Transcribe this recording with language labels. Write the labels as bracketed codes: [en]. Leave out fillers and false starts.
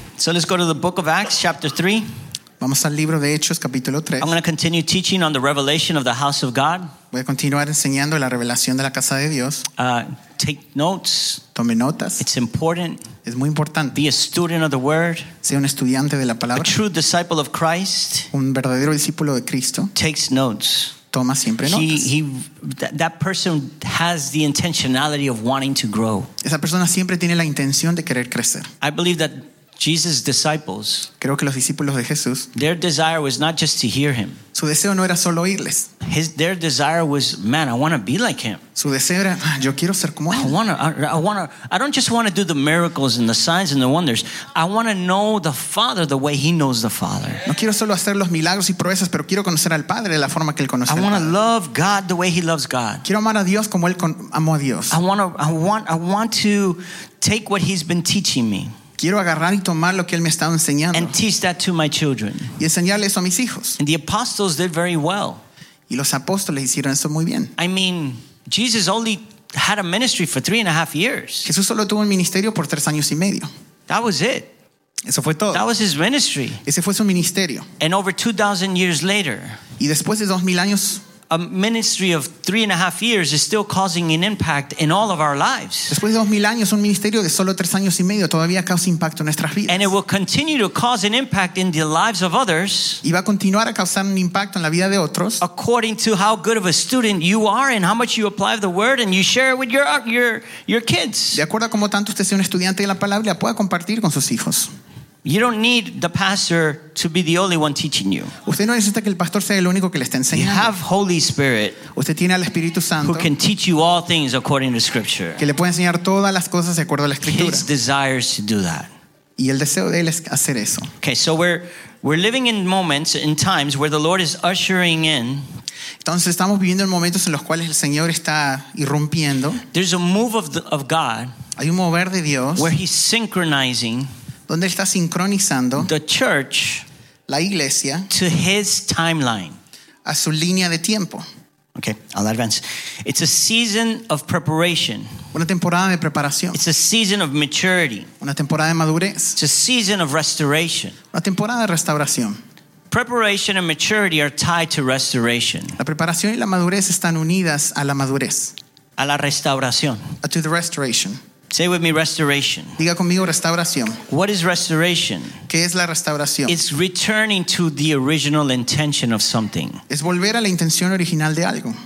[en] So let's go to the book of Acts, chapter 3. [es] Vamos al libro de Hechos, capítulo 3. [en] I'm going to continue teaching on the revelation of the house of God. [es] Voy a continuar enseñando la revelación de la casa de Dios. [en] Take notes. [es] Tome notas. [en] It's important. [es] Es muy importante. [en] Be a student of the word. [es] Sea un estudiante de la palabra. [en] A true disciple of Christ. [es] Un verdadero discípulo de Cristo. [en] Takes notes. [es] Toma siempre notas. [en] That person has the intentionality of wanting to grow. [es] Esa persona siempre tiene la intención de querer crecer. [en] I believe that Jesus' disciples. [es] Creo que los discípulos de Jesús. [en] Their desire was not just to hear him. [es] Su deseo no era solo oírles. [en] Their desire was, man, I want to be like him. [es] Su deseo era, yo quiero ser como él. [en] I don't just want to do the miracles and the signs and the wonders. I want to know the Father the way he knows the Father. [es] No quiero solo hacer los milagros y proezas, pero quiero conocer al Padre de la forma que él conoce al Padre. [en] I want to love God the way he loves God. [es] Quiero amar a Dios como él amó a Dios. [en] I want to take what he's been teaching me. [es] Quiero agarrar y tomar lo que él me ha estado enseñando. [en] And teach that to my children. [es] Y enseñarle eso a mis hijos. [en] And the apostles did very well. [es] Y los apóstoles hicieron eso muy bien. [en] I mean, Jesus only had a ministry for 3.5 years. [es] Jesús solo tuvo un ministerio por 3 años y medio. [en] That was it. [es] Eso fue todo. [en] That was his ministry. [es] Ese fue su ministerio. [en] And over 2,000 years later. [es] Y después de 2,000 años. [en] A ministry of 3.5 years is still causing an impact in all of our lives. [es] Después de 2,000 años, un ministerio de solo 3 años y medio todavía causa impacto en nuestras vidas. [en] And it will continue to cause an impact in the lives of others. [es] Y va a continuar a causar un impacto en la vida de otros. [en] According to how good of a student you are and how much you apply the word and you share it with your kids. [es] De acuerdo a cómo tanto usted sea un estudiante de la palabra, la pueda compartir con sus hijos. [en] You don't need the pastor to be the only one teaching you. [es] Usted no necesita que el pastor sea el único que le esté enseñando. [en] You have Holy Spirit. [es] Usted tiene al Espíritu Santo. [en] Who can teach you all things according to Scripture. [es] Que le puede enseñar todas las cosas de acuerdo a la Escritura. [en] His desire is to do that. [es] Y el deseo de él es hacer eso. [en] Okay, so we're living in moments in times where the Lord is ushering in. [es] Entonces estamos viviendo en momentos en los cuales el Señor está irrumpiendo. [en] There's a move of God. [es] Hay un mover de Dios. [en] Where he's synchronizing. [es] Donde está sincronizando [en] the church, [es] la iglesia, [en] to his timeline, [es] a su línea de tiempo. [en] Okay, I'll advance. It's a season of preparation. [es] Una temporada de preparación. [en] It's a season of maturity. [es] Una temporada de madurez. [en] It's a season of restoration. [es] Una temporada de restauración. [en] Preparation and maturity are tied to restoration. [es] La preparación y la madurez están unidas a la madurez. A la restauración. [en] To the restoration. Say with me, restoration. [es] Diga conmigo, restauración. [en] What is restoration? [es] ¿Qué es la restauración? [en] It's returning to the original intention of something. [es] Es volver a la intención original de algo.